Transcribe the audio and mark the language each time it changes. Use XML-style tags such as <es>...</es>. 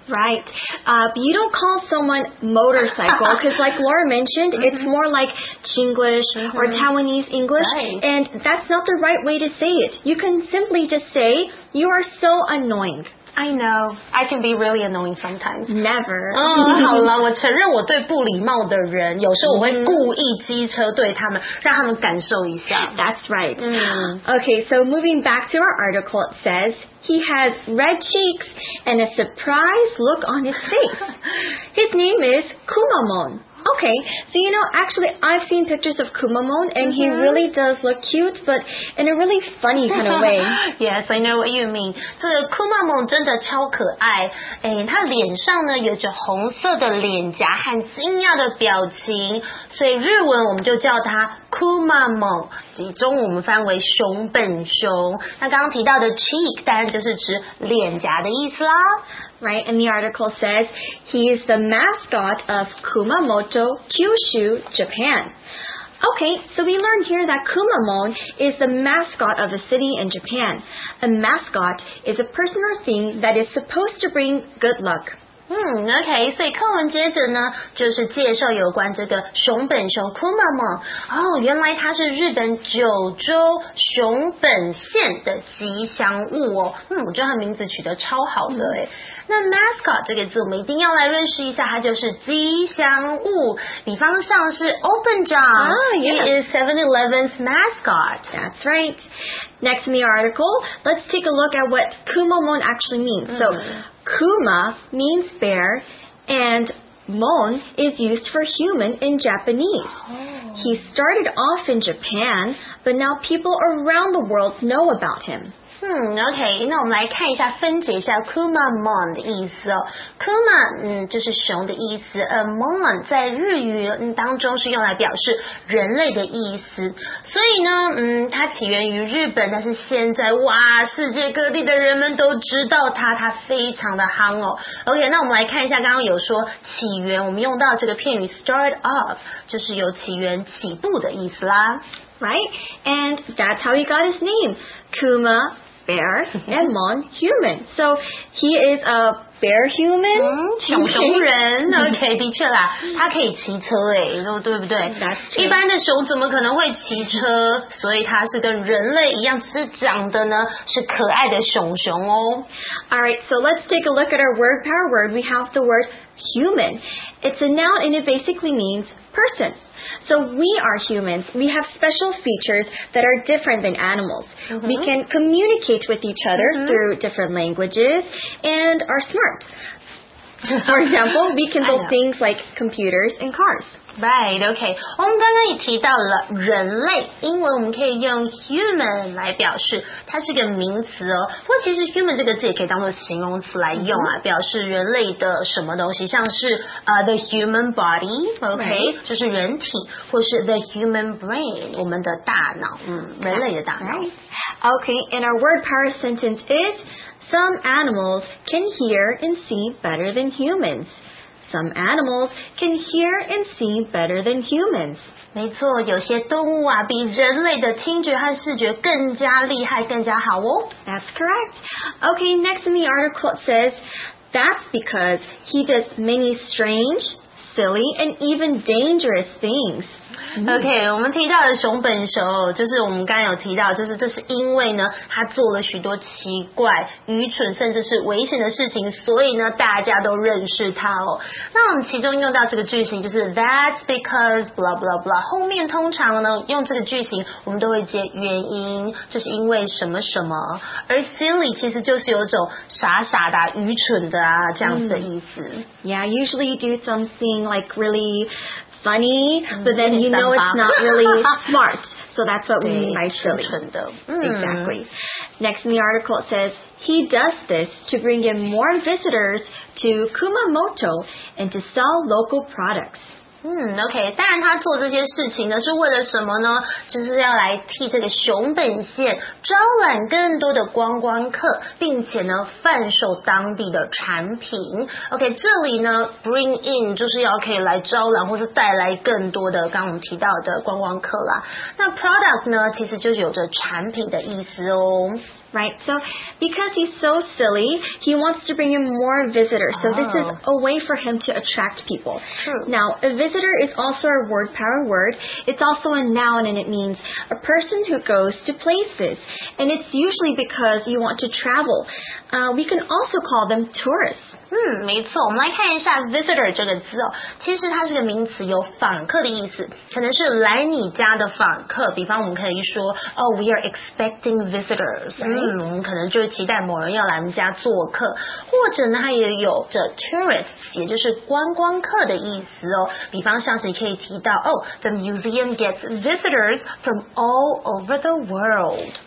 <en>Right. But you don't call someone motorcycle because, like Laura mentioned, it's more like Chinglish or Taiwanese English, right. And that's not the right way to say it. You can simply just say, you are so annoying. I know. I can be really annoying sometimes. Never.</en> <zh>好了，我承认我对不礼貌的人，有时候我会故意机车对他们，让他们感受一下。</zh> <en>That's right. Okay, so moving back to our article, it says, he has red cheeks and a surprised look on his face. His name is Kumamon. Okay, so you know, actually, I've seen pictures of Kumamon, and he really does look cute, but in a really funny kind of way. Yes, I know what you mean.</en> <zh>这个 Kumamon 真的超可爱，哎，他脸上呢有着红色的脸颊和惊讶的表情，所以日文我们就叫他 Kumamon， 集中我们翻为熊本熊。那刚刚提到的 cheek 当然就是指脸颊的意思啦。</zh> <en>Right, and the article says he is the mascot of Kumamoto, Kyushu, Japan. Okay, so we learn here that Kumamon is the mascot of a city in Japan. A mascot is a person or thing that is supposed to bring good luck.</en> <zh>OK, 所以课文接着呢就是介绍有关这个熊本熊 Kumamon。哦，原来它是日本九州熊本县的吉祥物哦。我觉得它名字取得超好的耶。那 mascot 这个字我们一定要来认识一下，它就是吉祥物，比方像是 Open John、</zh> <en>yeah. He is 7-Eleven's mascot. That's right. Next in the article, let's take a look at what Kumamon actually means. So Kuma means bear, and mon is used for human in Japanese. He started off in Japan, but now people around the world know about him.</en> <zh>OK, 那我们来看一下分解一下 Kumamon 的意思哦。 Kuma, 就是熊的意思。Mon 在日语当中是用来表示人类的意思。所以呢它起源于日本，但是现在哇世界各地的人们都知道它，它非常的夯哦。 OK, 那我们来看一下刚刚有说起源，我们用到这个片语 start off, 就是有起源起步的意思啦。</zh> <en>Right? And that's how he got his name. Kuma, bear, and mon, human. So he is a bear human?</en> <zh>熊熊人。 OK, 的确啦，他可以骑车耶，对不对？</zh> <en>That's true.</en> <zh>一般的熊怎么可能会骑车？所以他是跟人类一样，只是长得呢，是可爱的熊熊哦。</zh> <en>Alright, so let's take a look at our word power word. We have the word human. It's a noun and it basically means person. So we are humans. We have special features that are different than animals. Mm-hmm. We can communicate with each other through different languages and are smart. For example, we can build things like computers and cars. Right, okay.</en> <zh>我们刚刚也提到了人类，英文我们可以用 human 来表示，它是个名词哦。不过其实 human 这个字也可以当作形容词来用啊，表示人类的什么东西，像是</zh> <en>the human body, okay, right.</en> <zh>就是人体，或是</zh> <en>the human brain,</en> <zh>我们的大脑，人类的大脑。</zh> <en>Right. Okay, and our word power sentence is, some animals can hear and see better than humans. Some animals can hear and see better than humans.</en> <zh>没错，有些动物啊，比人类的听觉和视觉更加厉害，更加好哦。</zh> <en>That's correct. Okay, next in the article it says, that's because he does many strange, silly, and even dangerous things.</en> <zh>OK， 我们提到的熊本熊，就是我们刚刚有提到，就是这是因为呢，他做了许多奇怪、愚蠢，甚至是危险的事情，所以呢，大家都认识他哦。那我们其中用到这个句型就是</zh> <en>That's because blah blah blah，</en> <zh>后面通常呢，用这个句型，我们都会接原因，就是因为什么什么。而 silly 其实就是有种傻傻的、愚蠢的啊这样子的意思。</zh> <en>Yeah, usually you do something like really funny, but then you know it's not really smart. So that's what we mean by silly. Exactly. Next in the article it says, he does this to bring in more visitors to Kumamoto and to sell local products.</en> <zh>OK， 当然他做这些事情呢是为了什么呢，就是要来替这个熊本县招揽更多的观光客，并且呢贩售当地的产品。 OK， 这里呢 bring in 就是要可以来招揽或是带来更多的刚我们提到的观光客啦。那 product 呢其实就是有着产品的意思哦。</zh> <en>Right, so because he's so silly, he wants to bring in more visitors. So this is a way for him to attract people. True. Now, a visitor is also a word power word. It's also a noun and it means a person who goes to places. And it's usually because you want to travel. We can also call them tourists.</en> <zh>没错，我们来看一下 visitor 这个字哦，其实它是个名词，有访客的意思，可能是来你家的访客，比方我们可以说</zh> <en>Oh, we are expecting visitors、 right.</en> <zh>我们可能就是期待某人要来我们家做客，或者呢它也有着 tourists 也就是观光客的意思哦，比方像是你可以提到</zh> <en>Oh, the museum gets visitors from all over the world.</en>